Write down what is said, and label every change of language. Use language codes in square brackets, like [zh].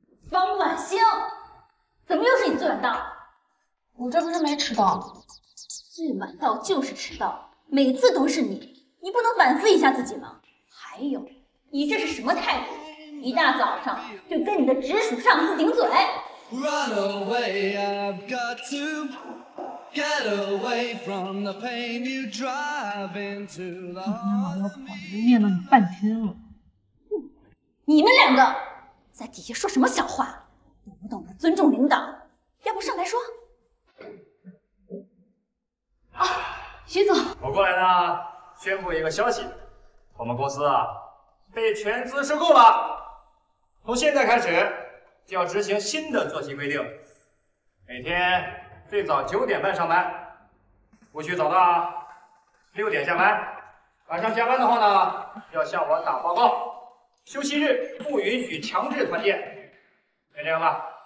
[zh] 方婉星。怎么又是你最晚到？我这不是没迟到。最晚到就是迟到，每次都是你，你不能反思一下自己吗？还有，你这是什么态度？一大早上就跟你的直属上司顶嘴。 [en] Run away, I've got to get away from the pain you drive into the heart of me. [zh] 我都念了你半天了。你们两个在底下说什么小话？不懂得尊重领导，要不上来说。啊，徐总，我过来呢，宣布一个消息，我们公司啊被全资收购了，从现在开始就要执行新的作息规定，每天最早9点半上班，不许早到6点下班，晚上加班的话呢要向我打报告，休息日不允许强制团建，就这样吧。